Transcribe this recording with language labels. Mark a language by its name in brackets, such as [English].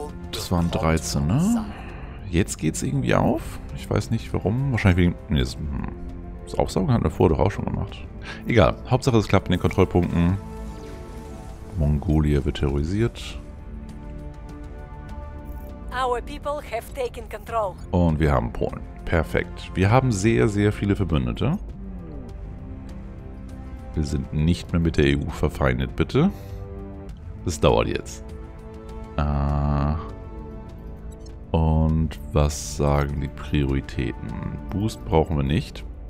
[German] Das waren 13, ne? Jetzt geht's irgendwie auf. Ich weiß nicht warum. Wahrscheinlich wegen. Nee, das Aufsaugen hat er vorher doch auch schon gemacht. Egal. Hauptsache, es klappt in den Kontrollpunkten. Mongolia wird terrorisiert. [English] Our people have taken control. [German] Und wir haben Polen. Perfekt. Wir haben sehr, sehr viele Verbündete. Wir sind nicht mehr mit der EU verfeindet, bitte. Das dauert jetzt. Und was sagen die Prioritäten? Boost brauchen wir nicht.